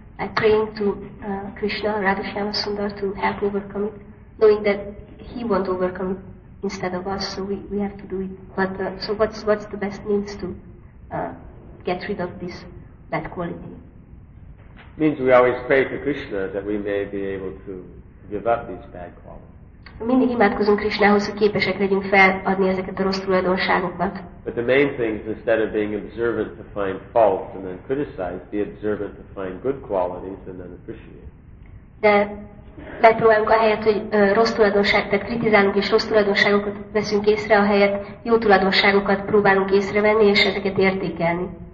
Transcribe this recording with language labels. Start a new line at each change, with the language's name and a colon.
English: Like praying to Krishna, Radha Shyama Sundar, to help overcome it, knowing that he won't overcome it instead of us, so we have to do it. But so what's the best means to get rid of this bad quality? Means we always pray to Krishna that we may be able to give up these bad qualities.
Hungarian: Mindig imádkozunk Krishnához, hogy képesek legyünk feladni ezeket a rossz tulajdonságokat.
English: But the main thing is instead of being observant to find faults and then criticize, be observant to find good qualities and then appreciate.
Hungarian: De megpróbálunk ahelyett, hogy rossz tulajdonságokat, tehát kritizálunk és rossz tulajdonságokat veszünk észre, ahelyett jó tulajdonságokat próbálunk észrevenni és ezeket értékelni.